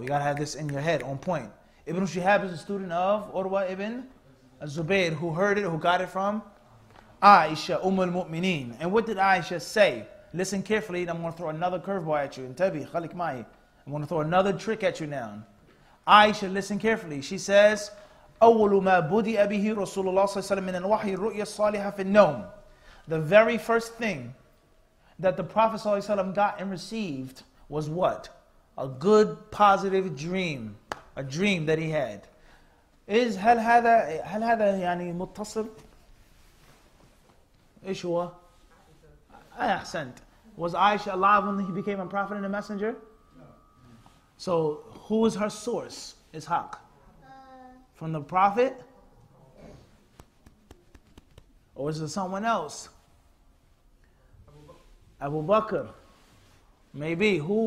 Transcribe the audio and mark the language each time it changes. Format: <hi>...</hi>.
<en>You gotta have this in your head, on point. Ibn Shihab is a student of Urwa ibn Zubayr, who heard it, who got it from Aisha, Ummul Mu'mineen. And what did Aisha say? Listen carefully, and I'm gonna throw another curveball at you.</en> <ar>Intabi, Khalik Mai.</ar> <en>I'm gonna throw another trick at you now. Aisha, listen carefully. She says,</en> <ar>أَوَّلُ مَا بُدِئَ بِهِ رَسُولُ اللَّهِ صَلَّى اللَّهُ عَلَيْهِ وَسَلَّمَ مِنَ الْوَحْيِ الرُّؤْيَ الصَّالِحَةِ فِي النَّوْمِ.</ar> <en>The very first thing that the Prophet ﷺ got and received was what? A good, positive dream. A dream that he had. Is</en> <ar>هَلْ هَذَا يعني متصل؟ إيش هو؟ أحسنت.</ar> <en>Was Aisha alive when he became a prophet and a messenger? No. So who is her source? Ishaq. From the Prophet? Or is it someone else? Abu Bakr. Maybe. Who?</en>